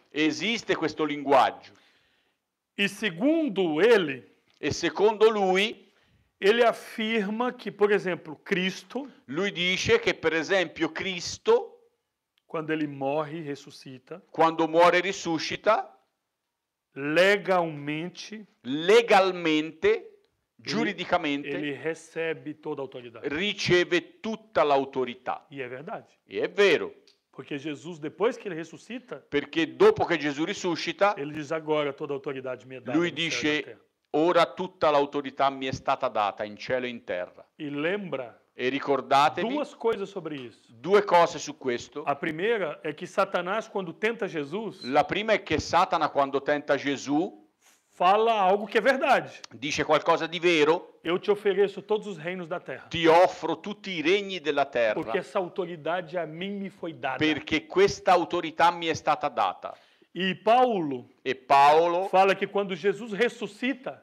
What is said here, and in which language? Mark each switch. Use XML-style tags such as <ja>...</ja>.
<it>Existe questo linguaggio.</it> <pt>E segundo ele.</pt> <it>E secondo lui.</it> <pt>Ele afirma que, por exemplo, Cristo.</pt> <it>Lui dice che, per esempio, Cristo.</it> <pt>Quando ele morre e ressuscita.</pt> <it>Quando muore e ressuscita.</it> <pt>Legalmente.</pt> <it>Legalmente. Giuridicamente</it> <pt>ele recebe toda a autoridade.</pt> <it>Riceve tutta l'autorità.</it> <pt>E é verdade.</pt> <it>E é vero.</it> <pt>Porque Jesus depois que ele ressuscita.</pt> <it>Perché dopo che Gesù risuscita.</it> <pt>Ele diz agora toda a autoridade me é dada.</pt> <it>Lui dice Ora tutta l'autorità mi è stata data in cielo e in terra.</it> <pt>E lembra?</pt> <it>E ricordatevi</it> <pt>duas coisas sobre isso.</pt> <it>Due cose su questo.</it> <pt>A primeira é que Satanás quando tenta Jesus.</pt> <it>La prima è che Satana quando tenta Gesù</it> <pt>fala algo que é verdade.</pt> <it>Dice qualcosa di vero.</it> <pt>Eu te ofereço todos os reinos da terra.</pt> <it>Ti offro tutti i regni della terra.</it> <pt>Porque essa autoridade a mim me foi dada.</pt> <it>Perché questa autorità mi è stata data.</it> <pt>E Paulo fala que quando Jesus ressuscita.</pt>